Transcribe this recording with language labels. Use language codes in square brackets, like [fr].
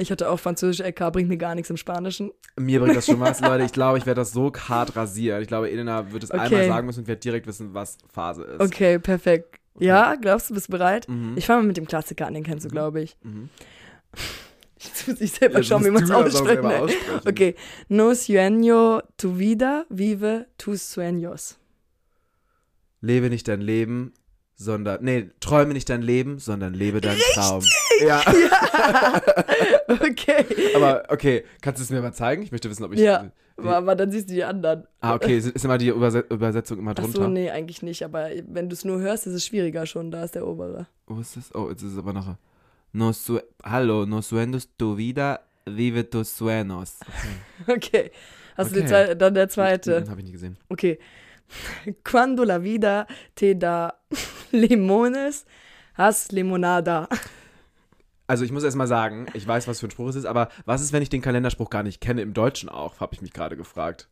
[de] Ich hatte auch Französisch-LK, bringt mir gar nichts im Spanischen. Mir bringt das schon was, Leute. Ich glaube, ich werde das so hart rasieren. Ich glaube, Elena wird es einmal sagen müssen und wird direkt wissen, was Phase ist. Okay, perfekt. Okay. Ja, glaubst du, bist bereit? Mhm. Ich fange mal mit dem Klassiker an, den kennst du, glaube ich. Mhm. Jetzt muss ich selber schauen, wie man es ausspricht. Okay. [es] No sueño tu vida, vive tus sueños. [de] Lebe nicht dein Leben, sondern, nee, träume nicht dein Leben, sondern lebe deinen Richtig. Traum. Ja. Okay. Aber okay, kannst du es mir mal zeigen? Ich möchte wissen, ob ich... Ja, aber dann siehst du die anderen. Ah, okay, ist immer die Übersetzung immer drunter? Ach so, nee, eigentlich nicht, aber wenn du es nur hörst, ist es schwieriger schon, da ist der obere. Wo ist das? Oh, jetzt ist es aber noch... [es] Hallo, no sueños tu vida, vive tus sueños. [de] Okay, hast du dann der zweite? Den habe ich nicht gesehen. [es] Okay. Quando la vida te da limones, has limonada. [de] Also ich muss erst mal sagen, ich weiß, was für ein Spruch es ist, aber was ist, wenn ich den Kalenderspruch gar nicht kenne, im Deutschen auch, habe ich mich gerade gefragt.